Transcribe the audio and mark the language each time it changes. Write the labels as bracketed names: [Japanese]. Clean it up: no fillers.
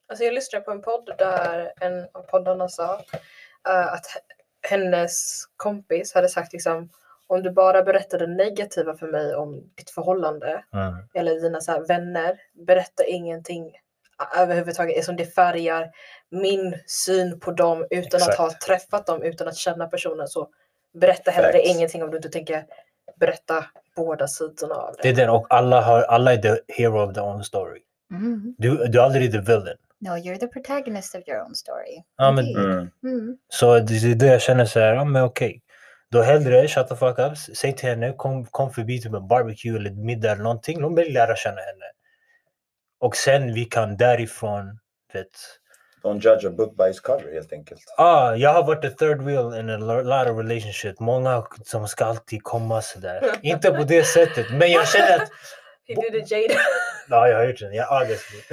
[Swedish] Alltså jag lyssnade på en podd där en av poddarna sa att hennes kompis hade sagt liksom, om du bara berättar det negativa för mig om ditt förhållande eller dina så här vänner, berätta ingenting överhuvudtaget som det färgar min syn på dem utan att ha träffat dem, utan att känna personen, så berätta heller ingenting om du inte tänker berätta båda sidorna av det. Det är den, och alla är [English] the hero of their own story. [Swedish] Mm. Du är aldrig [English] the villain. No, you're the protagonist of your own story. [Swedish] Ja, men, så det är det jag känner så här, ja, men okej. Då hellre, [English] shut the fuck up, [Swedish] säg till henne, kom förbi till en barbecue eller middag eller någonting. Hon vill lära känna henne. Och sen vi kan därifrån, vet. [English] Don't judge a book by its cover, [Swedish] helt enkelt. Ja, ah, jag har varit [English] the third wheel in a lot of relationship. [Swedish] Många som ska alltid komma så där. Inte på det sättet, men jag känner att... [English] He did a [Swedish] Jada. Ja, jag har gjort den. Jag är August.